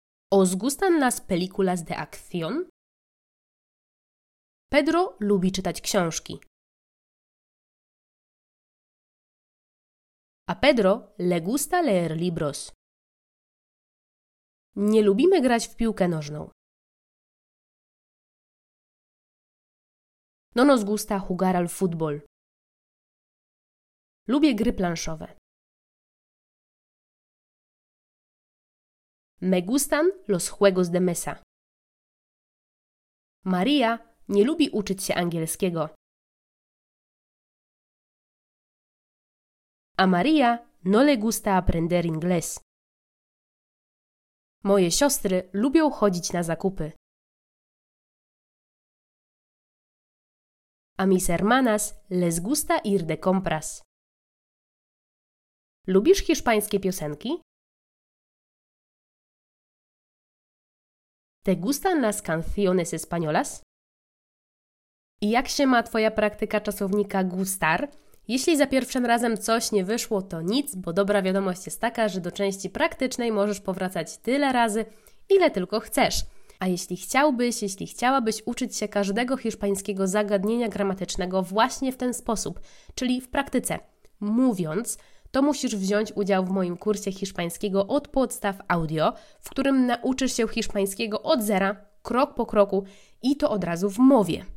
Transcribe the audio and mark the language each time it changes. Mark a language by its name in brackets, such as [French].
[Spanish] ¿Os gustan las películas de acción? [Polish] Pedro lubi czytać książki. [Spanish] A Pedro le gusta leer libros. [Polish] Nie lubimy grać w piłkę nożną. [Spanish] No nos gusta jugar al fútbol. [Polish] Lubię gry planszowe. [Spanish] Me gustan los juegos de mesa. [Polish] Maria nie lubi uczyć się angielskiego. [Spanish] A Maria no le gusta aprender inglés. [Polish] Moje siostry lubią chodzić na zakupy. [Spanish] A mis hermanas les gusta ir de compras. [Polish] Lubisz hiszpańskie piosenki? [Spanish] ¿Te gustan las canciones españolas? [Polish] I jak się ma Twoja praktyka czasownika gustar? Jeśli za pierwszym razem coś nie wyszło, to nic, bo dobra wiadomość jest taka, że do części praktycznej możesz powracać tyle razy, ile tylko chcesz. A jeśli chciałabyś uczyć się każdego hiszpańskiego zagadnienia gramatycznego właśnie w ten sposób, czyli w praktyce, mówiąc, to musisz wziąć udział w moim kursie hiszpańskiego od podstaw audio, w którym nauczysz się hiszpańskiego od zera, krok po kroku i to od razu w mowie.